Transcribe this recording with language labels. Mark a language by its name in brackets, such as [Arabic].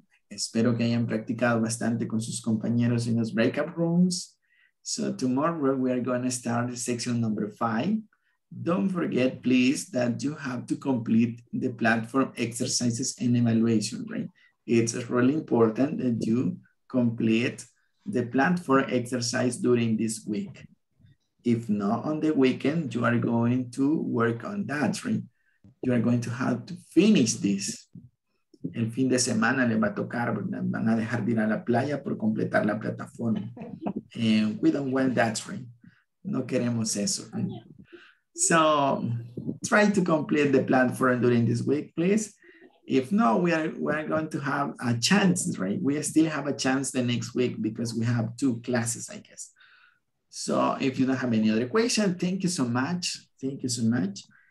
[Spanish] Espero que hayan practicado bastante con sus compañeros en los breakout rooms. [English] So tomorrow we are going to start section number 5. Don't forget, please, that you have to complete the platform exercises and evaluation, right? It's really important that you complete the platform exercise during this week. If not on the weekend, you are going to work on that, right? You are going to have to finish this. [Spanish] El fin de semana le va a tocar, van a dejar de ir a la playa por completar la plataforma. [English] And we don't want that, right? [Spanish] No queremos eso, [English] right? So try to complete the platform during this week, please. If not, we are going to have a chance, right? We still have a chance the next week because we have 2 classes, I guess. So if you don't have any other question, thank you so much. Thank you so much.